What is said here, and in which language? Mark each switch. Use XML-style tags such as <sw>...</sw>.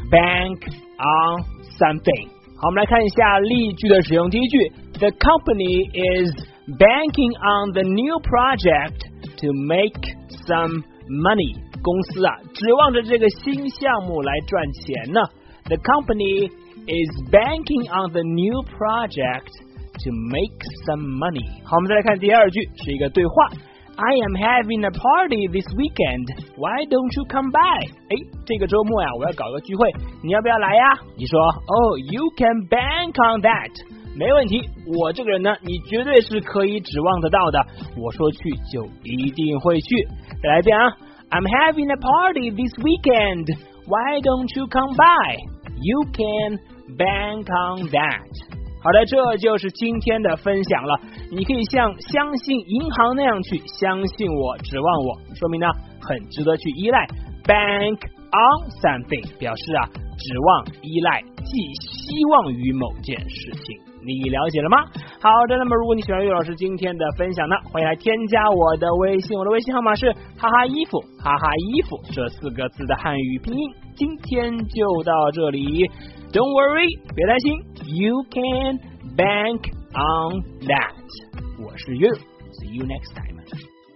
<en>Bank on something。</en> <zh>好，我们来看一下例句的使用。第一句，</zh> <en>The company is banking on the new project to make some money。</en> <zh>公司啊指望着这个新项目来赚钱呢。</zh> <en>The company is banking on the new project to make some money。</en> <zh>好，我们再来看第二句，是一个对话。</zh> <en>I am having a party this weekend, why don't you come by?</en> <zh>哎，这个周末呀，我要搞个聚会，你要不要来呀？你说</zh> <en>Oh, you can bank on that。</en> <zh>没问题，我这个人呢，你绝对是可以指望得到的，我说去就一定会去。再来一遍啊。</zh> <en>I'm having a party this weekend,Why don't you come by? You can bank on that.</en> <zh>好的，这就是今天的分享了。你可以像相信银行那样去相信我，指望我，说明呢很值得去依赖。 Bank on something 表示啊指望、依赖、寄希望于某件事情。你了解了吗？好的，那么如果你喜欢岳老师今天的分享呢，欢迎来添加我的微信，我的微信号码是哈哈衣服，哈哈衣服这四个字的汉语拼音。今天就到这里，</zh> <en>Don't worry，</en> <zh>别担心，</zh> <en>You can bank on that。</en> <zh>我是岳，</zh> <en>See you next time。</en>